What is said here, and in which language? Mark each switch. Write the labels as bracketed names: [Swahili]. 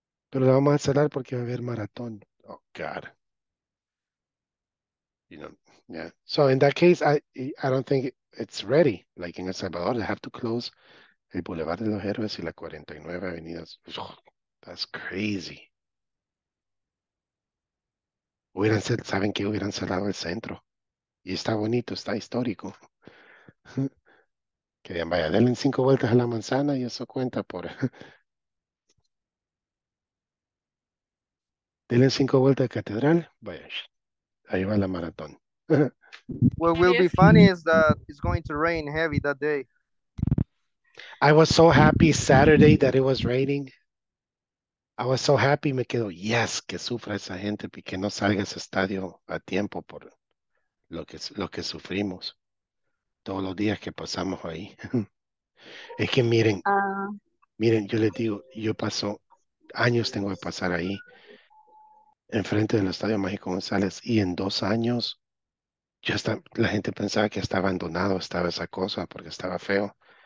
[Spanish] Pero la vamos a cerrar porque va a haber maratón. [English] Oh, God. You know, yeah. So in that case, I don't think it's ready. Like in El Salvador, they have to close el Boulevard de los Héroes y la 49 Avenida. Oh, that's crazy. [Spanish] ¿Saben qué? Hubieran cerrado el centro. Y está bonito, está histórico. Que digan, vaya, denle 5 vueltas a la manzana y eso cuenta por... denle 5 vueltas a catedral, vaya, ahí va la maratón. [English] What will be funny is that it's going to rain heavy that day. I was so happy Saturday that it was raining. I was so happy, [Spanish] me quedo, yes, que sufra esa gente y que no salga ese estadio a tiempo por lo que sufrimos. Todos los días que pasamos ahí. Es que miren, yo les digo, yo paso años tengo que pasar ahí enfrente del Estadio Mágico González y en 2 años ya está, la gente pensaba que está abandonado, estaba esa cosa porque estaba feo.